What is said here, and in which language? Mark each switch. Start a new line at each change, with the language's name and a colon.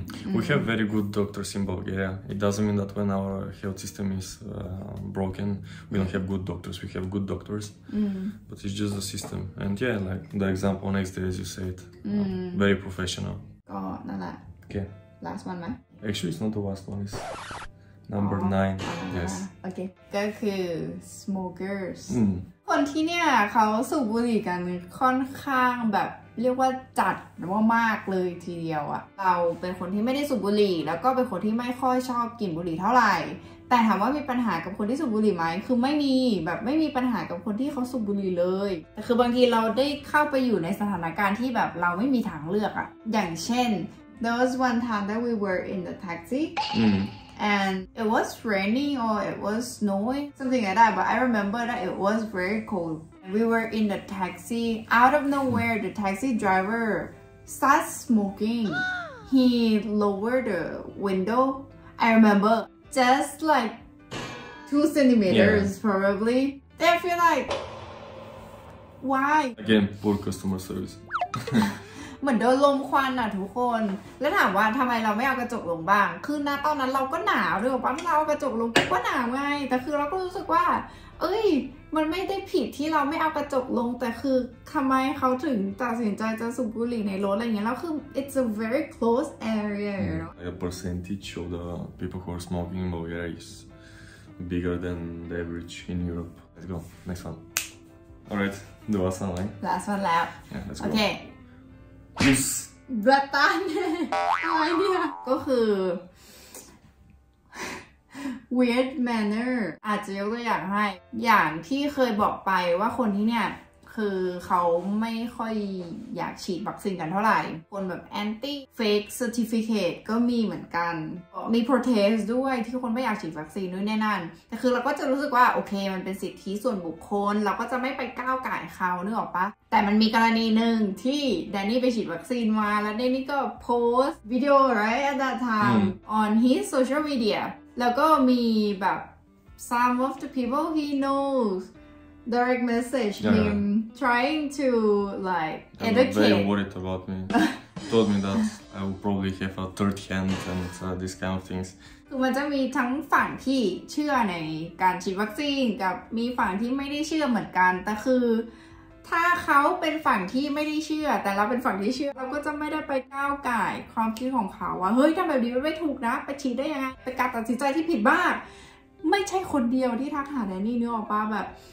English: We have very good doctors in Bulgaria. It doesn't mean that when our health system is broken, we don't have good doctors. We have good doctors, but it's just the system. And yeah, like the example next day, as you said, very professional. Okay. Last one, man. Actually, it's not the last one. It's number nine. Yes. Okay.
Thai: ก็คือ smokers. คนที่เนี่ยเขาสูบบุหรี่กันค่อนข้างแบบเรียกว่าจัดว่ามากเลยทีเดียวอะเราเป็นคนที่ไม่ได้สูบบุหรี่แล้วก็เป็นคนที่ไม่ค่อยชอบกลิ่นบุหรี่เท่าไหร่ แต่ถามว่ามีปัญหากับคนที่สูบบุหรี่ไหมคือไม่มีแบบไม่มีปัญหากับคนที่เขาสูบบุหรี่เลยแต่คือบางทีเราได้เข้าไปอยู่ในสถานการณ์ที่แบบเราไม่มีทางเลือกอะอย่างเช่น
English: there was one time that we were in the taxi and it was raining or it was snowing something like that but I remember that it was very coldWe were in the taxi. Out of nowhere, the taxi driver starts smoking. He lowered the window. I remember just like 2 centimeters, probably. Then I feel like, why? Again, poor customer service.
Thai: เหมือนโดนลมควันอ่ะทุกคนแล้วถามว่าทำไมเราไม่เอากระจกลงบ้างคือนะตอนนั้นเราก็หนาวด้วยป้าเรากระจกลงก็หนาวไงแต่คือเราก็รู้สึกว่าเอ้ยมันไม่ได้ผิดที่เราไม่เอากระจกลงแต่คือทำไมเขาถึงตัดสินใจจะสูบบุหรี่ในรถอะไรเงี้ยแล้วคือ
English: it's a very close area you know a percentage of the people who are smoking in Bulgaria is bigger than the average in Europe let's go next one all right the last one right last one
Thai: แล้ว
English: let's go okay Uss.
Thai: แบบตันอะไรเนี่ยก็คือ weird manner อาจจะยกตัวอย่างให้อย่างที่เคยบอกไปว่าคนที่เนี่ยคือเขาไม่ค่อยอยากฉีดวัคซีนกันเท่าไหร่คนแบบ anti fake certificate ก็มีเหมือนกัน มี protest ด้วยที่คนไม่อยากฉีดวัคซีนนู่นแน่นั่นแต่คือเราก็จะรู้สึกว่าโอเคมันเป็นสิทธิส่วนบุคคลเราก็จะไม่ไปก้าวก่ายเขาเนื้อออกปะแต่มันมีกรณีหนึ่งที่แดนนี่ไปฉีดวัคซีนมาแล้วแดนนี่ก็โพสต์วิดีโอ
English: right at that time on his social media
Thai: แล้วก็มีแบบ
English: some of the people he knows direct message him trying to like educate very worried about me told me that I will probably have a third hand and these kind of things
Thai: คือมันจะมีทั้งฝั่งที่เชื่อในการฉีดวัคซีนกับมีฝั่งที่ไม่ได้เชื่อเหมือนกันแต่คือถ้าเขาเป็นฝั่งที่ไม่ได้เชื่อแต่เราเป็นฝั่งที่เชื่อเราก็จะไม่ได้ไปก้าวก่ายความคิดของเขาว่าเฮ้ยทำแบบนี้มันไม่ถูกนะไปฉีดได้ยังไงเป็นการตัดสินใจที่ผิดมากไม่ใช่คนเดียวที่ทักหาแดนนี่นึกออกป่ะแบบ